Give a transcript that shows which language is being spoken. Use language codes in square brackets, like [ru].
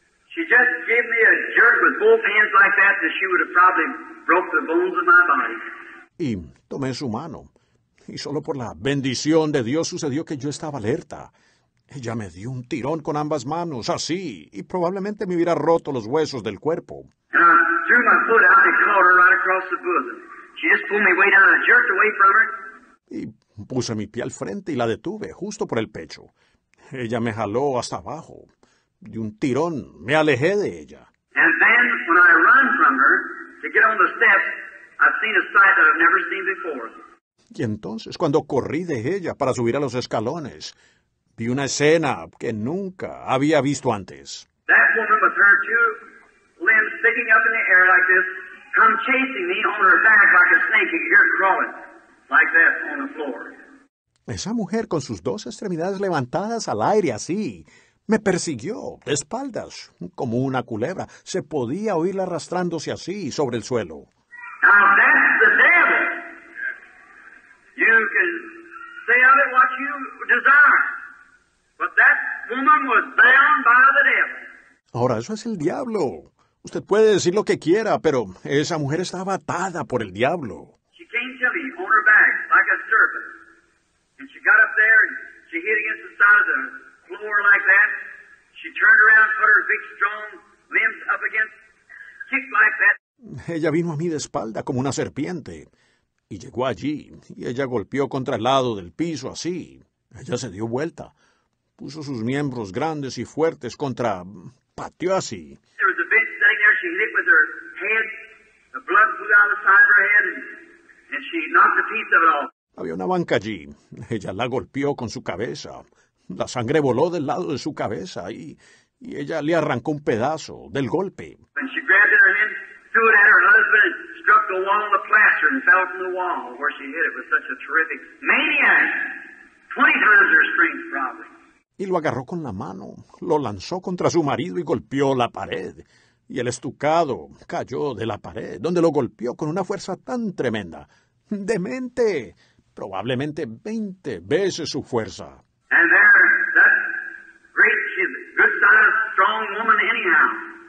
[en] She just gave me a jerk with both hands like that that she would have probably broke the bones of my body. [es] Y tomé su mano. Y solo por la bendición de Dios sucedió que yo estaba alerta. Ella me dio un tirón con ambas manos, así, y probablemente me hubiera roto los huesos del cuerpo. [en] And I threw my foot out and caught her right across the bosom. She just pulled me way down and jerked away from her. [es] Y puse mi pie al frente y la detuve, justo por el pecho. Ella me jaló hasta abajo. De un tirón, me alejé de ella. [en] And then, when I run from her, to get on the steps, I've seen a sight that I've never seen before. [es] Y entonces, cuando corrí de ella para subir a los escalones, vi una escena que nunca había visto antes. [en] That woman with her two limbs sticking up in the air like this, come chasing me on her back like a snake, you hear it crawling, like that on the floor. [es] Esa mujer con sus dos extremidades levantadas al aire así, me persiguió, de espaldas, como una culebra. Se podía oírla arrastrándose así, sobre el suelo. [en] Now that's the devil. You can say of it what you desire. But that woman was bound by the devil. [es] Ahora, eso es el diablo. Usted puede decir lo que quiera, pero esa mujer estaba atada por el diablo. [en] She came to me on her back, like a serpent. And she got up there, and she hit against the side of the floor like that. She turned around, put her big, strong limbs up against, kicked like that. [es] Ella vino a mí de espalda como una serpiente y llegó allí y ella golpeó contra el lado del piso así. Ella se dio vuelta, puso sus miembros grandes y fuertes contra, pateó así. [en] There was a bench sitting there. She hit with her head. The blood flew out of the side of her head and she knocked the piece of it off. [es] Había una banca allí. Ella la golpeó con su cabeza. La sangre voló del lado de su cabeza y ella le arrancó un pedazo del golpe. [en] And she grabbed her hand, threw it at her husband, and struck the wall of the plaster and fell from the wall where she hit it with such a terrific maniac. 20 times her strength, probably. [es] Y lo agarró con la mano, lo lanzó contra su marido y golpeó la pared. Y el estucado cayó de la pared, donde lo golpeó con una fuerza tan tremenda. ¡Demente! Probablemente 20 veces su fuerza. [en] And there, that great, she's a good-sized, strong woman anyhow.